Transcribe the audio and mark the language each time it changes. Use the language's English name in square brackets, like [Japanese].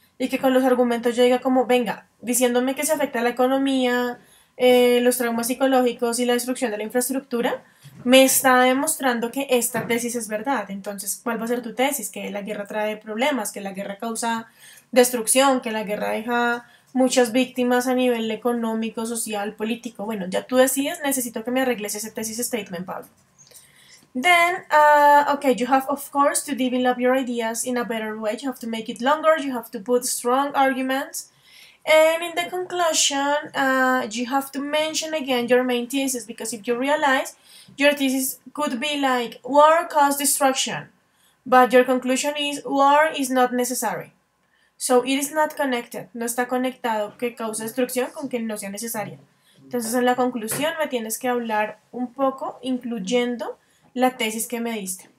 [Spanish] Y que con los argumentos yo diga como, venga, diciéndome que se afecta a la economía, los traumas psicológicos y la destrucción de la infraestructura, me está demostrando que esta tesis es verdad. Entonces, ¿cuál va a ser tu tesis? Que la guerra trae problemas, que la guerra causa destrucción, que la guerra deja muchas víctimas a nivel económico, social, político. Bueno, ya tú decides, necesito que me arregles ese thesis statement, Pablo. [English] Then, okay, you have, of course, to develop your ideas in a better way. You have to make it longer. You have to put strong arguments. And in the conclusion, you have to mention again your main thesis, because if you realize, your thesis could be like, war caused destruction. But your conclusion is, war is not necessary. So it is not connected, [Spanish] no está conectado que cause destrucción con que no sea necesaria. Entonces en la conclusión me tienes que hablar un poco incluyendo la tesis que me diste.